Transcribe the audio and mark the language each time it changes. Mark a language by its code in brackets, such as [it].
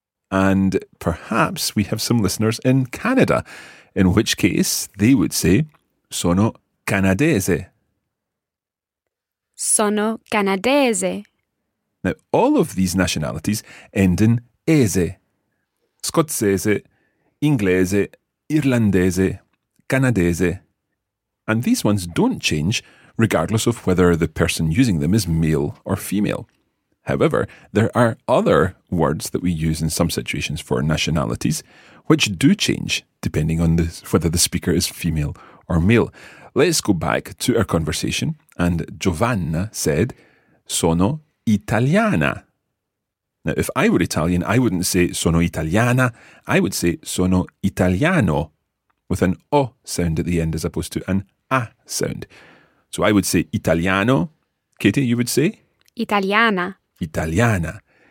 [en] And perhaps we have some listeners in Canada, in which case they would say, [it] sono canadese. Sono canadese. [en] Now, all of these nationalities end in ese. [it] Scozzese, inglese, irlandese, canadese. [en] And these ones don't change regardless of whether the person using them is male or female. However, there are other words that we use in some situations for nationalities, which do change depending on whether the speaker is female or male. Let's go back to our conversation. And Giovanna said, [it] sono italiana. [en] Now, if I were Italian, I wouldn't say [it] sono italiana. [en] I would say [it] sono italiano [en] with an O sound at the end as opposed to an A sound. So I would say italiano. Katie, you would say? [it] Italiana. Italiana.